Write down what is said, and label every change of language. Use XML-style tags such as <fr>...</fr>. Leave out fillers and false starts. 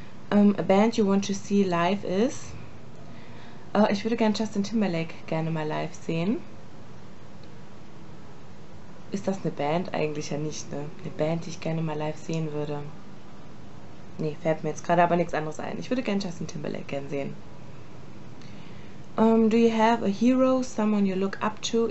<en>A band you want to see live is.</en> <de>Ich würde gerne Justin Timberlake gerne mal live sehen. Ist das eine Band? Eigentlich ja nicht, ne? Eine Band, die ich gerne mal live sehen würde. Nee, fällt mir jetzt gerade aber nichts anderes ein. Ich würde gerne Justin Timberlake gerne sehen.</de> <en>Do you have a hero, someone you look up to?</en>